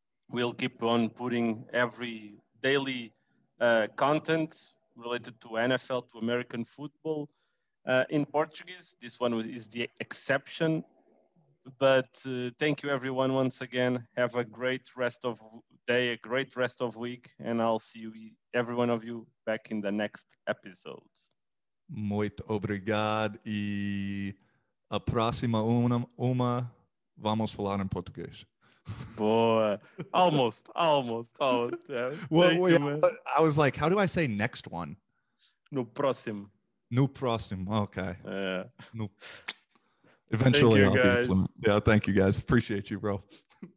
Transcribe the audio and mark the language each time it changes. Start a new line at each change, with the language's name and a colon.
English: We'll keep on putting every daily content related to NFL, to American football. In Portuguese, this one is the exception. But thank you, everyone, once again. Have a great rest of day, a great rest of week. And I'll see you, every one of you, back in the next episode.
Portuguese: Muito obrigado. E a próxima uma, vamos falar em português. Boa.
English: Almost. Well, I was like, how do I say next one?
Portuguese: No próximo. No próximo,
English: okay. Yeah. No. Eventually, I'll be fluent. Yeah, thank you guys. Appreciate you, bro.